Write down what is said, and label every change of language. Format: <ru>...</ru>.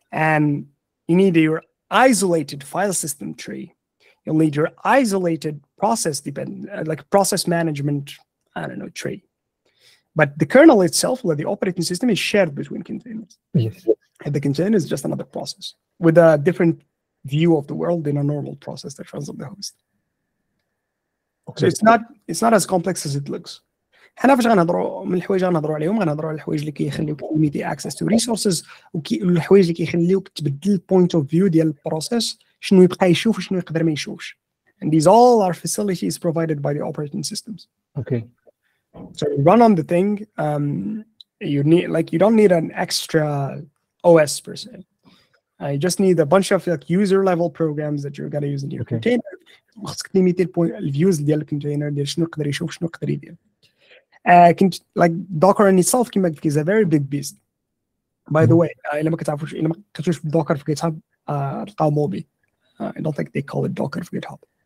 <en>and you need your isolated file system tree You'll need your isolated process dependent, like process management, I don't know, tree. But the kernel itself, where the operating system is shared between containers. Yes. And the container is just another process with a different view of the world than a normal process that runs on the host. Okay. So it's not as complex as it looks.</en> <ar>حنا فاش غنهضروا من الحوايج غنهضروا عليهم غنهضروا على الحوايج اللي كيخليوك ميدي</ar> <en>access to resources</en> <ar>والحوايج اللي كيخليوك تبدل البوينت اوف فيو ديال البروسيس شنو يبقى يشوف وشنو يقدر ما يشوفش</ar> <en>and these all are facilities provided by the operating systems okay so you run on the thing you need like you don't need an extra OS per se I just need a bunch of like user level programs that you're going to use in your okay.</en> <ar>container خصك ليميتي البوينت الفيوز ديال الكونتينر ديال شنو يقدر يشوف شنو يقدر يدير</ar> <en>can like Docker in itself is a very big beast. By the way, if Docker for GitHub, I don't think they call it Docker for GitHub.</en>